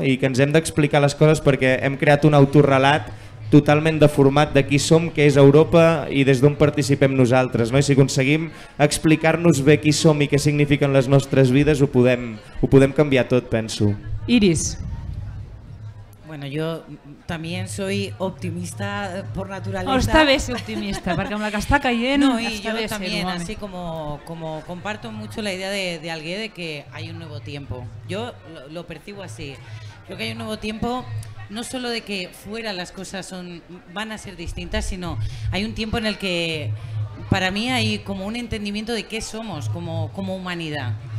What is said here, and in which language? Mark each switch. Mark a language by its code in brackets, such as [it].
[ca] I que ens hem d'explicar les coses, perquè hem creat un autorrelat totalment deformat de qui som, què és Europa i des d'on participem nosaltres, no? I si aconseguim explicar-nos bé qui som i què signifiquen les nostres vides, ho podem canviar tot, penso. Iris. [es] Bueno, yo también soy optimista por naturaleza. [ca] Oh, está bé ser optimista, perquè amb la que està caient... [es] No, y yo también, así como comparto mucho la idea de Algué de que hay un nuevo tiempo. Yo lo percibo así. Creo que hay un nuevo tiempo, no solo de que fuera las cosas van a ser distintas, sino hay un tiempo en el que para mí hay como un entendimiento de qué somos como humanidad.